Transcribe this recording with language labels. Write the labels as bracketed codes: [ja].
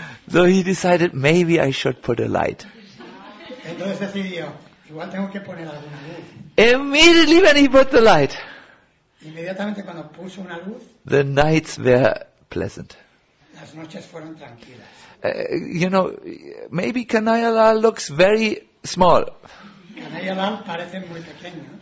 [en] So he decided, maybe I should put a light. [es] Entonces decidió, igual tengo que poner alguna luz. [en] Immediately when he put the light, [es] inmediatamente cuando puso una luz, [en] the nights were pleasant. [es] Las noches fueron tranquilas. [en] You know, maybe Kanhaiya Lal looks very small. [es] Kanhaiya Lal parece muy pequeño.